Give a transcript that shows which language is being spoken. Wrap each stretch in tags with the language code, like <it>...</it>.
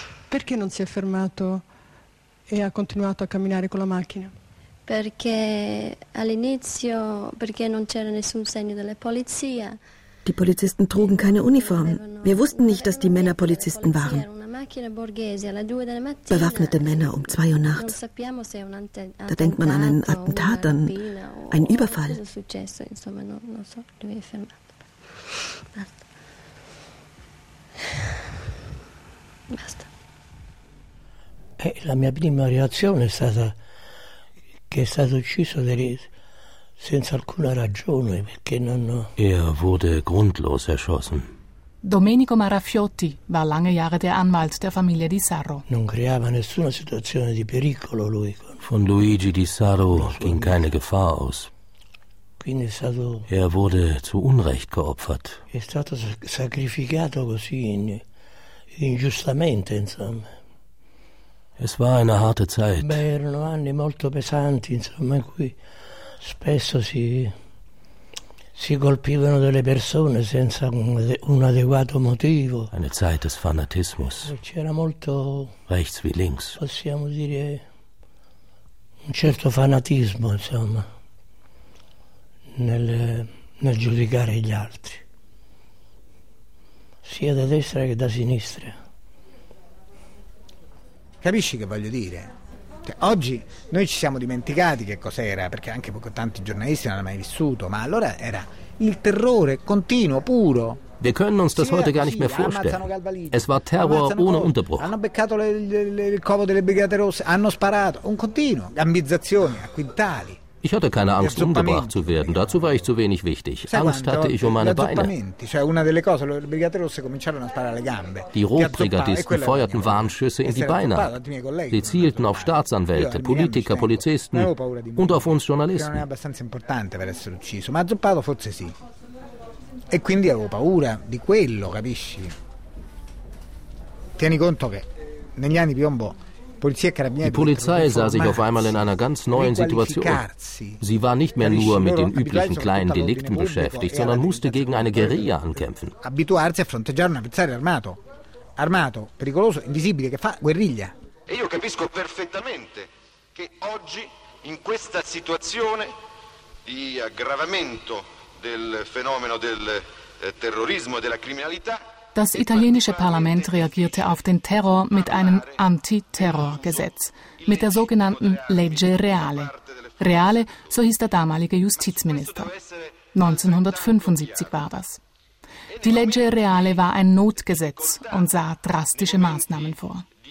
<it>Perché non si è fermato e ha continuato a camminare con la macchina? Perché all'inizio perché non c'era nessun segno della polizia.</it> <de>Die Polizisten trugen keine Uniform. Wir wussten nicht, dass die Männer Polizisten waren. Bewaffnete Männer um 2 Uhr nachts. Da denkt man an einen Attentat, an einen Überfall.</de> <it>Basta. La mia prima reazione è stata che è stato ucciso senza alcuna ragione perché non.</it> <de>Er wurde grundlos erschossen. Domenico Maraffiotti war lange Jahre der Anwalt der Familie Di Sarro.</de> <it>Non creava nessuna situazione di pericolo lui.</it> <de>Von Luigi Di Sarro ging keine Gefahr aus.</de> <it>Quindi è stato.</it> <de>Er wurde zu Unrecht geopfert.</de> <it>È stato sacrificato così. ingiustamente, insomma.</it> <de>Es war eine harte Zeit.</de> <it>Beh, erano anni molto pesanti, insomma, in cui spesso si colpivano delle persone senza un adeguato motivo.</it> <de>Eine Zeit des Fanatismus.</de> <it>C'era molto,</it> <de>rechts wie links.</de> <it>Possiamo dire un certo fanatismo, insomma, nel giudicare gli altri, sia da destra che da sinistra. Capisci che voglio dire? Cioè, oggi noi ci siamo dimenticati che cos'era, perché anche tanti giornalisti non hanno mai vissuto, ma allora era il terrore continuo, puro.</it> <de>Wir können uns das heute gar nicht mehr vorstellen. Es war Terror ohne Unterbruch.</de> <it>Hanno beccato il covo delle Brigate Rosse, hanno sparato, un continuo, gambizzazioni a quintali.</it> <de>Ich hatte keine Angst, umgebracht zu werden. Dazu war ich zu wenig wichtig. Angst hatte ich um meine Beine.</de> <it>Cioè una delle cose, le Brigate Rosse cominciarono a sparare alle gambe.</it> <de>Die Rotbrigadisten feuerten Warnschüsse in die Beine. Sie zielten auf Staatsanwälte, Politiker, Polizisten und auf uns Journalisten.</de> <it>Non è abbastanza importante per essere ucciso, ma zuppato forse sì. E quindi avevo paura di quello, capisci? Tieni conto che negli anni piombo Polizia e Carabinieri.</it> <de>Die Polizei sah sich auf einmal in einer ganz neuen Situation. Sie war nicht mehr nur mit den üblichen kleinen Delikten beschäftigt, sondern musste gegen eine Guerilla ankämpfen.</de> <it>Abituarsi a fronteggiare un avversario armato, pericoloso, invisibile, che fa guerriglia. E io capisco perfettamente che oggi, in questa situazione di aggravamento del fenomeno del terrorismo e della criminalità.</it> <de>Das italienische Parlament reagierte auf den Terror mit einem Antiterrorgesetz, mit der sogenannten Legge Reale. Reale, so hieß der damalige Justizminister. 1975 war das. Die Legge Reale war ein Notgesetz und sah drastische Maßnahmen vor.</de>